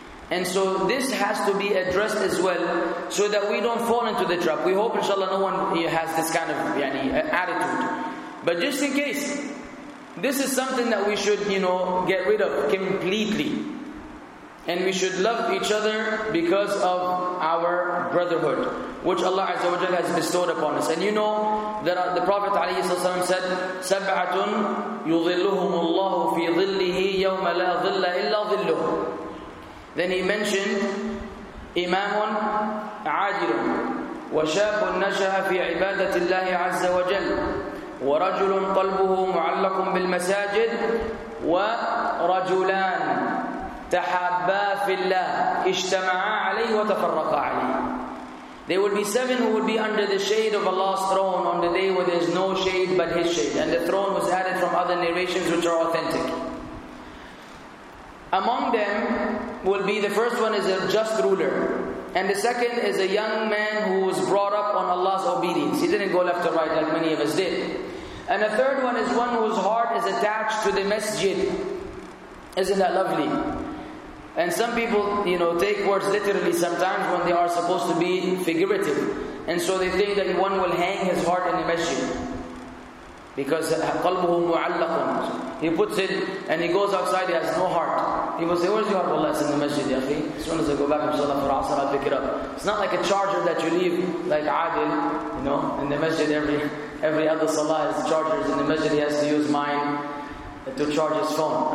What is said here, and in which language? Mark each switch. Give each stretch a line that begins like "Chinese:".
English: And so this has to be addressed as well, so that we don't fall into the trap. We hope, inshallah, no one has this kind of attitude. But just in case, this is something that we should, get rid of completely. And we should love each other because of our brotherhood, which Allah Azza wa Jal has bestowed upon us. And you know that the Prophet
Arabic: عليه الصلاة والسلام said, سَبْعَةٌ يُظِلُّهُمُ اللَّهُ فِي ظِلِّهِ يَوْمَ لَا ظِلَّ إِلَّا ظِلُّهُ.
English: Then he mentioned,
Arabic: إِمَامٌ عَادِلٌ وَشَابٌ نَشَأَ فِي عِبَادَةِ اللَّهِ عَزَّ وَجَلَّ ورجل قلبه معلق بالمساجد ورجلان تحابا في الله اجتمعا عليه وتفرقا عليه.
English: There will be seven who will be under the shade of Allah's throne on the day where there is no shade but His shade. And the throne was added from other narrations which are authentic. Among them will be, the first one is a just ruler. And the second is a young man who was brought up on Allah's obedience. He didn't go left or right like many of us did. And a third one is one whose heart is attached to the masjid. Isn't that lovely? And some people, take words literally sometimes when they are supposed to be figurative. And so they think that one will hang his heart in the masjid. Because
Arabic: قَلْبُهُ مُعَلَّقٌ.
English: He puts it and he goes outside, he has no heart. People say, where's your heart? Allah, it's in the masjid, ya akhi. As soon as I go back, inshallah, for asr, I'll pick it up. It's not like a charger that you leave, like Adil, in the masjid every other salah, his charger is in the masjid, he has to use mine to charge his phone.